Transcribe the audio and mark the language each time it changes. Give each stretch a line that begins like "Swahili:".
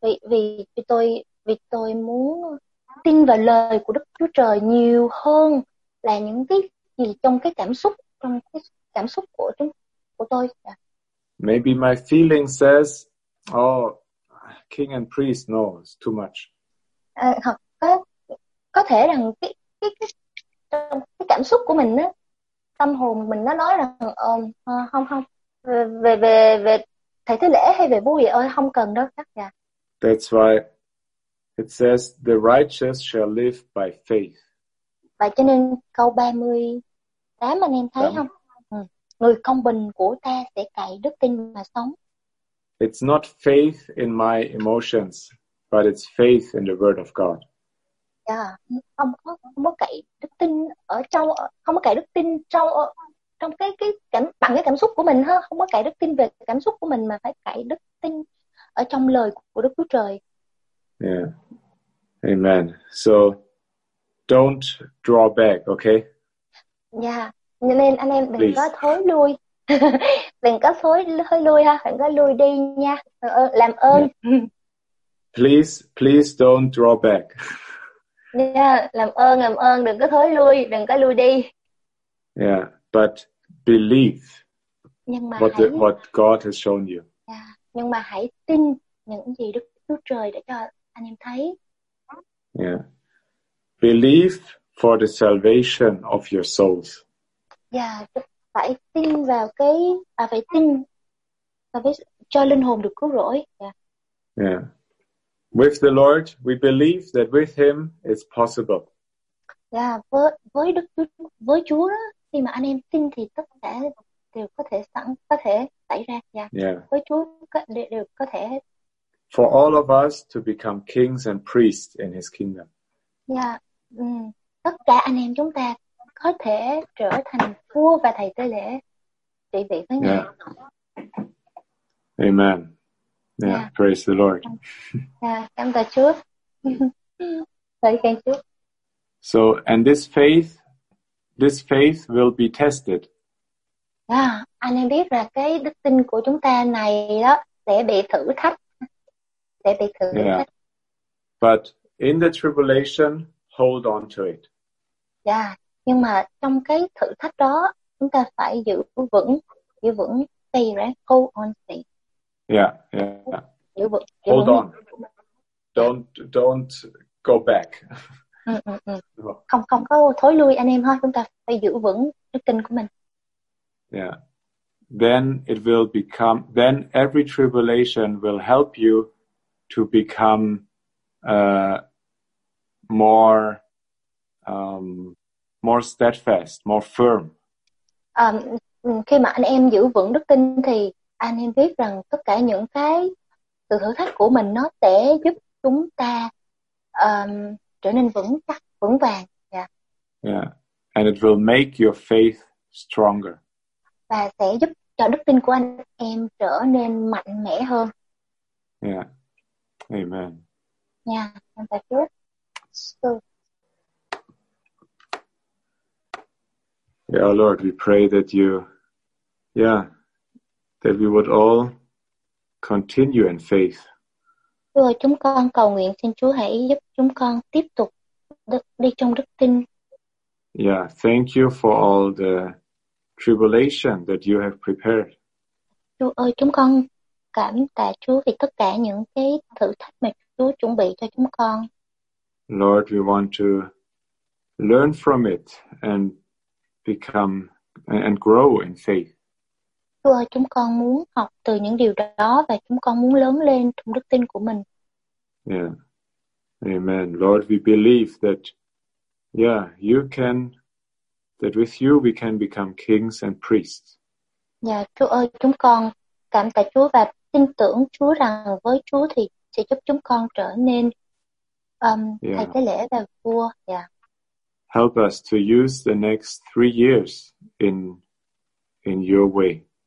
Vietnamese: Vì tôi muốn tin vào lời của Đức Chúa Trời nhiều hơn là những cái gì trong cái cảm xúc của tôi.
English: Yeah. Maybe my feeling says, oh, king and priest, no, it's too much.
Vietnamese: Có thể rằng cái cảm xúc của mình á, tâm hồn mình nó nói rằng không về thầy tế lễ hay về vua vậy ơi, không cần đâu chắc.
English: Yeah. That's why it says the righteous shall live by faith.
Vietnamese: Vậy cho nên câu 38 anh em thấy không? Người công bình của ta sẽ cậy đức tin mà sống.
English: It's not faith in my emotions, but it's faith in the word of God. Yeah.
Vietnamese: Không có cậy đức tin ở trong, không có cậy đức tin trong trong cái cảnh bằng cái cảm xúc của mình ha, không có cậy đức tin về cảm xúc của mình mà phải cậy đức tin ở trong lời của Đức Chúa Trời.
English: Yeah. Amen. So don't draw back, okay? Yeah.
Vietnamese: Nên anh em đừng
English: Please.
Vietnamese: Có thối lui. Đừng có thối lui ha, đừng có lui đi nha. Làm ơn. Yeah.
English: Please don't draw back.
Vietnamese: Yeah, làm ơn, đừng có thối lui đi.
English: Yeah, but believe. What God has shown you. Yeah.
Vietnamese: Nhưng mà hãy tin những gì Đức Chúa Trời đã cho anh em thấy.
English: Yeah. Believe for the salvation of your souls.
Vietnamese: Yeah, phải tin cho linh hồn được cứu rỗi.
English: Yeah. Yeah. With the Lord, we believe that with Him it's possible.
Vietnamese: Yeah, với Đức Chúa, với Chúa đó, khi mà anh em tin thì tất cả đều có thể xảy ra.
English: Yeah. Yeah.
Vietnamese: Với Chúa đều có thể.
English: For all of us to become kings and priests in His kingdom. Yeah.
Vietnamese: Tất cả anh em chúng ta có thể trở thành vua và thầy tế lễ trị vị với Ngài.
English: Yeah. Amen. Yeah, yeah, praise the Lord.
Vietnamese: Yeah, cảm tạ Chúa. Thầy khen Chúa.
English: So, and this faith will be tested.
Vietnamese: Yeah, anh em biết là cái đức tin của chúng ta này đó sẽ bị thử thách.
English: But in the tribulation, hold on to it.
Vietnamese: Yeah, nhưng mà trong cái thử thách đó, chúng ta phải giữ vững
English: stay right, hold on stay. Yeah.
Vietnamese: Giữ vững, giữ
English: hold
Vietnamese: vững.
English: On. Don't go back.
Vietnamese: Không có thối lui anh em ha, chúng ta phải giữ vững đức tin của mình.
English: Yeah. Then it will become, then every tribulation will help you to become more steadfast, more firm.
Vietnamese: Khi mà anh em giữ vững đức tin thì anh em biết rằng tất cả những cái sự thử thách của mình nó sẽ giúp chúng ta trở nên vững chắc, vững vàng.
English: Yeah. And it will make your faith stronger.
Vietnamese: Và sẽ giúp cho đức tin của anh em trở nên mạnh mẽ hơn.
English: Yeah. Amen.
Vietnamese: Yeah. Cảm tạ Chúa. So.
English: Yeah, Lord, we pray that you, yeah, that we would all continue in faith.
Vietnamese: Chúa, chúng con cầu nguyện xin Chúa hãy giúp chúng con tiếp tục đi trong đức tin.
English: Yeah, thank you for all the tribulation that you have prepared.
Vietnamese: Chúa ơi, chúng con cảm tạ Chúa vì tất cả những cái thử thách mà Chúa chuẩn bị cho chúng con.
English: Lord, we want to learn from it and become and grow in faith.
Vietnamese: Chúa ơi, chúng con muốn học từ những điều đó và chúng con muốn lớn lên trong đức tin của mình.
English: Yeah. Amen. Lord, we believe that yeah, you can that with you we can become kings and priests.
Vietnamese: Yeah, Chúa ơi, chúng con cảm tạ Chúa và tin tưởng Chúa rằng với Chúa thì sẽ giúp chúng con trở nên thầy tế lễ và vua.
English: Yeah. Help us to use the next 3 years in your way.